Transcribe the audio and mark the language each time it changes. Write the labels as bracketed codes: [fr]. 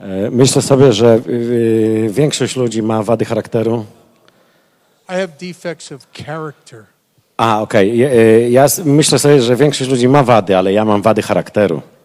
[pl] Myślę sobie, że większość ludzi ma wady charakteru. [en] I have defects of character. [pl] A, okej. Ja myślę sobie, że większość ludzi ma wady, ale ja mam wady charakteru.